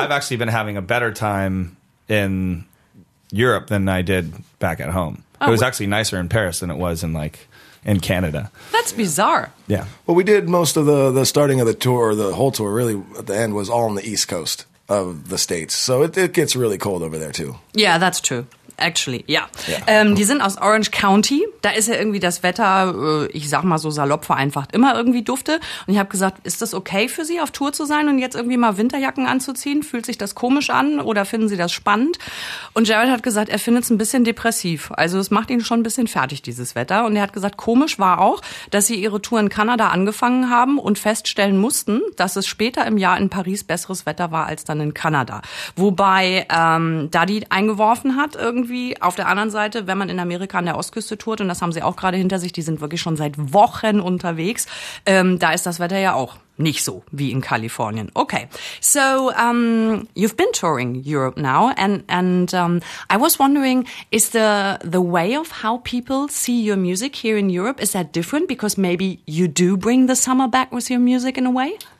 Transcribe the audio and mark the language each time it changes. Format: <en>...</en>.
<en>I've actually been having a better time in Europe than I did back at home. Oh, it was actually nicer in Paris than it was in Canada. That's bizarre. Yeah. Well, we did most of the starting of the tour, the whole tour really at the end was all on the East Coast of the States. So it gets really cold over there too. Yeah, that's true. Actually,</en> <de>ja. Die sind aus Orange County. Da ist ja irgendwie das Wetter, ich sag mal so salopp vereinfacht, immer irgendwie dufte. Und ich habe gesagt, ist das okay für Sie, auf Tour zu sein und jetzt irgendwie mal Winterjacken anzuziehen? Fühlt sich das komisch an oder finden Sie das spannend? Und Jared hat gesagt, er findet es ein bisschen depressiv. Also es macht ihn schon ein bisschen fertig, dieses Wetter. Und er hat gesagt, komisch war auch, dass Sie Ihre Tour in Kanada angefangen haben und feststellen mussten, dass es später im Jahr in Paris besseres Wetter war als dann in Kanada. Wobei Duddy eingeworfen hat irgendwie, auf der anderen Seite, wenn man in Amerika an der Ostküste tourt, und das haben sie auch gerade hinter sich, die sind wirklich schon seit Wochen unterwegs, da ist das Wetter ja auch nicht so wie in Kalifornien.</de> <en>Okay, so you've been touring Europe now, and I was wondering, is the way of how people see your music here in Europe, is that different? Because maybe you do bring the summer back with your music in a way?</en>